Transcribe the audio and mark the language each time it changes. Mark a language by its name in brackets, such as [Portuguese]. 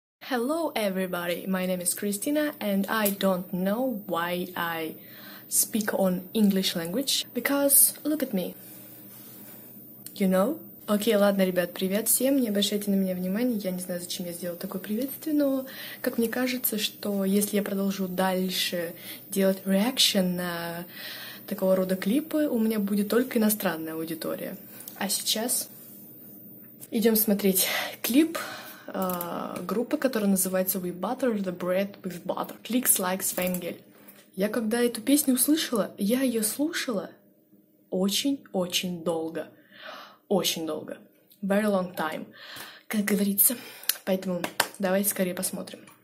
[English] Hello everybody, my name is Christina and I don't know why I speak on English language, because look at me, you know? [Russian] Окей, ладно, ребят, привет всем, не обращайте на меня внимания, я не знаю, зачем я сделала такое приветствие, но как мне кажется, что если я продолжу дальше делать реакшн на такого рода клипы, у меня будет только иностранная аудитория. А сейчас идем смотреть клип. Группа, которая называется We Butter the Bread with Butter. Clicks Like Spangle. Я когда эту песню услышала, я ее слушала очень-очень долго. Очень долго. [English] Very long time, [Russian] как говорится. Поэтому давайте скорее посмотрим.